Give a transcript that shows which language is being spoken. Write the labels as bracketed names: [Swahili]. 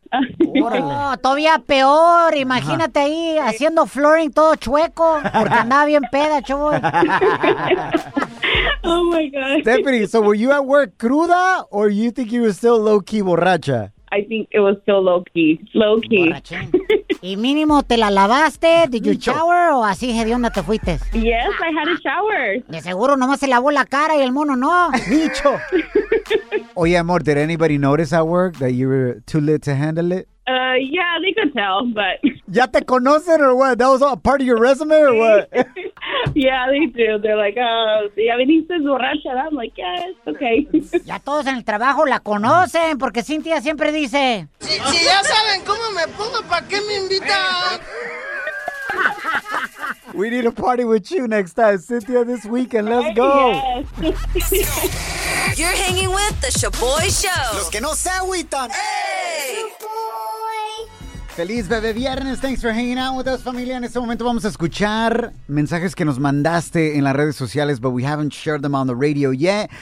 [Spanish] Oh, todavía peor, imagínate ahí haciendo flooring todo chueco porque andaba bien peda, chavo. [English] Oh my God. Stephanie, so were you at work [Spanish] cruda [English] or you think you were still low key [Spanish] borracha? [English] I think it was still low key. [Spanish] Y mínimo te la lavaste, [English] did you shower [Spanish] o así hedionda te fuiste? [English] Yes, I had a shower. [Spanish] De seguro nomás se lavó la cara y el mono no. Bicho. Oye, amor, [English] did anybody notice at work that you were too lit to handle it? Yeah, they could tell, but... [Spanish] ¿Ya te conocen [English] or what? That was all part of your resume or what? Yeah, they do. They're like, oh, [Spanish] ya viniste borracha. [English] I'm like, yes, okay. [Spanish] Ya todos en el trabajo la conocen porque Cynthia siempre dice... Si ya saben cómo me pongo, ¿para qué me invitan? [English] We need a party with you next time, Cynthia, this weekend. Let's go. Yes. You're hanging with the Shaboy Show. [Spanish] Los que no se agüitan. [English] Hey! [Spanish] Feliz Bebé Viernes. [English] Thanks for hanging out with us, [Spanish] familia. En este momento vamos a escuchar mensajes que nos mandaste en las redes sociales, [English] but we haven't shared them on the radio yet.